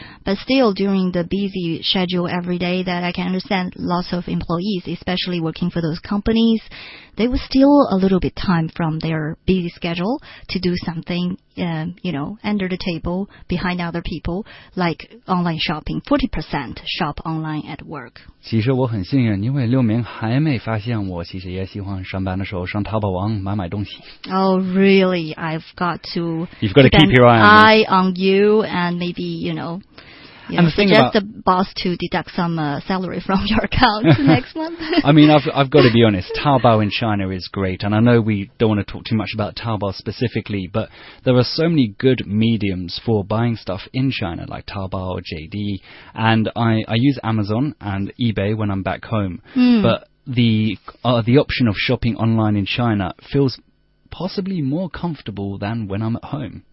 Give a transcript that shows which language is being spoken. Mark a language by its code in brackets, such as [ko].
[en] But still, during the busy schedule every day, that I can understand lots of employees, especially working for those companies, they would steal a little bit time from their busy schedule to do something, under the table, behind other people, like online shopping. 40% shop online at work. [zh] 其实我很幸运，因为六明还没发现我其实也喜欢上班的时候上淘宝网买买东西。 [en] Oh, really? I've got to, you've got to keep your eye on you and maybe, suggest the boss to deduct some salary from your account next month. I mean, I've got to be honest, Taobao in China is great, and I know we don't want to talk too much about Taobao specifically, but there are so many good mediums for buying stuff in China, like Taobao or JD, and I use Amazon and eBay when I'm back home, but the option of shopping online in China feels possibly more comfortable than when I'm at home.